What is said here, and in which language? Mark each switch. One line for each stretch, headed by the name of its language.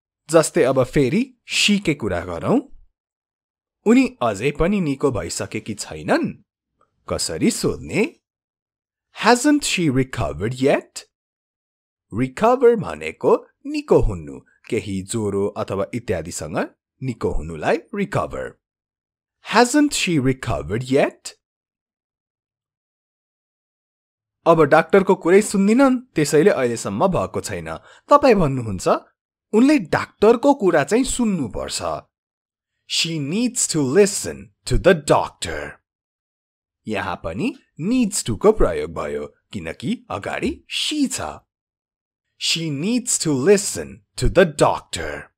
Nepali: जस्तै अब फेरि सीके कुरा गरौँ उनी अझै पनि निको भइसकेकी छैनन् कसरी सोध्ने
English: Hasn't she recovered yet?
Nepali: Recover भनेको निको हुनु केही ज्वरो अथवा इत्यादिसँग निको हुनुलाई recover.
English: Hasn't she recovered yet?
Nepali: अब डाक्टरको कुरै सुन्दिनन् त्यसैले अहिलेसम्म भएको छैन तपाईँ भन्नुहुन्छ उनले डाक्टरको कुरा चाहिँ सुन्नुपर्छ
English: she needs to listen to the doctor
Nepali: यहाँ पनि निड्स टुको प्रयोग भयो किनकि अगाडि सी छ she needs to listen to the doctor